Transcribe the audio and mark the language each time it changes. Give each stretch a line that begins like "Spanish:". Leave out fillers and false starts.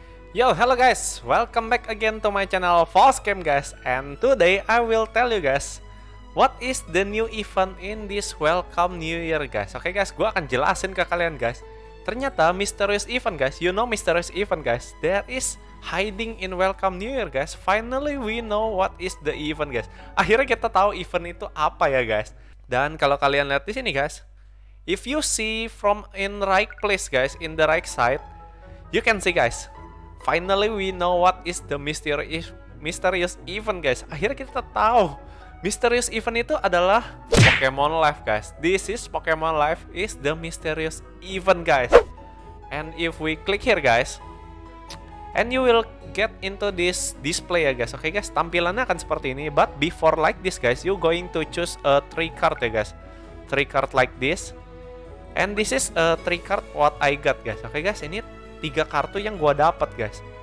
English: Yo, hello guys, welcome back again to my channel False Game guys, and today I will tell you guys what is the new event in this welcome new year guys. Okay guys,
Indonesian: gua akan jelasin ke kalian
English: guys. Ternyata mysterious event guys, you know mysterious event guys, there is hiding in welcome new year guys. Finally we know what is the event guys.
Indonesian: Akhirnya kita tahu event itu apa ya guys. Dan kalau kalian lihat di sini
English: guys, if you see from in right place guys, in the right side, you can see guys, finally we know what is the mysterious event guys.
Indonesian: Akhirnya kita tahu mysterious event itu adalah Pokemon Live guys.
English: This is Pokemon Live is the mysterious event guys. And if we click here guys, and you will get into this display ya guys.
Indonesian: Okay guys, tampilannya akan seperti ini.
English: But before like this guys, you going to choose a 3 card ya guys. 3 card like this. And this is a 3 card what I got guys.
Indonesian: Okay guys, ini 3 kartu yang gua dapat guys.